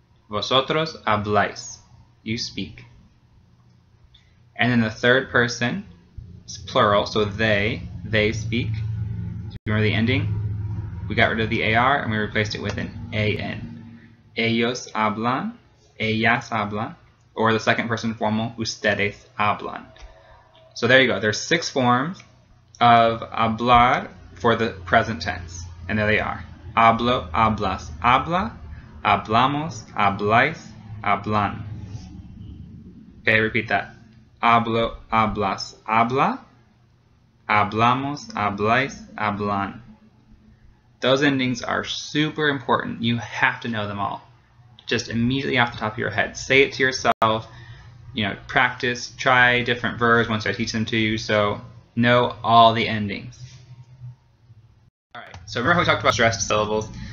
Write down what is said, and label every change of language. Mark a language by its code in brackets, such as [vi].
[es] Vosotros habláis. [en] You speak. And then the third person is plural, so they speak. Do you remember the ending? We got rid of the AR and we replaced it with an AN. [es] Ellos hablan, ellas hablan, [en] or the second person formal, [es] ustedes hablan. [en] So there you go. There's six forms of hablar for the present tense. And there they are. [es] Hablo, hablas, habla, hablamos, habláis, hablan. [en] Okay, repeat that. [es] Hablo, hablas, habla, hablamos, habláis, hablan. [en] Those endings are super important. You have to know them all. Just immediately off the top of your head. Say it to yourself. You know, practice, try different verbs once I teach them to you. So know all the endings. All right, so remember how we talked about stressed syllables?